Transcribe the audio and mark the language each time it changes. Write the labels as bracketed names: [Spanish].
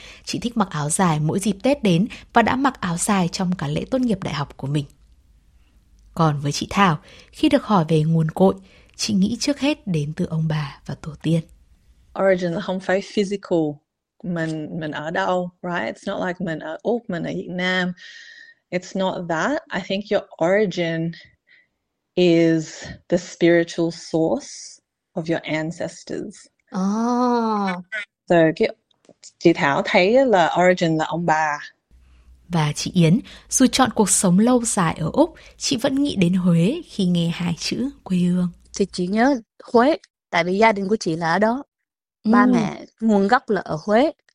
[Vietnamese] Chị thích mặc áo dài mỗi dịp Tết đến và đã mặc áo dài trong cả lễ tốt nghiệp đại học của mình. Còn với chị Thảo, khi được hỏi về nguồn cội, chị nghĩ trước hết đến từ ông bà và tổ tiên. Origin là không phải physical, mình ở đâu, right? [English] It's not like [Vietnamese] mình ở Úc, mình ở Việt Nam. [English] It's not that. I think your origin is the spiritual source of your ancestors. [Vietnamese] So chị Thảo thấy là origin là ông bà. Và chị Yến, dù chọn cuộc sống lâu dài ở Úc, chị vẫn nghĩ đến Huế khi nghe hai chữ quê hương. Thì chị nhớ Huế, tại vì gia đình của chị là ở đó. Ba mẹ nguồn gốc là ở Huế.